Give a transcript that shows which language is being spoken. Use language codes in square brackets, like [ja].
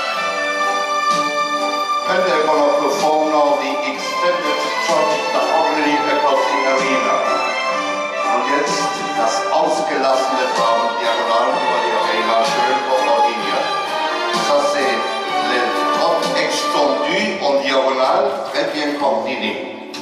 [en] they're gonna perform now the extended trot, the harmony across the arena. [de] Und jetzt das ausgelassene Fahren diagonal über die Arena, schön vor der Linie. [fr] Ça c'est le trot extendu en diagonal, très bien combiné.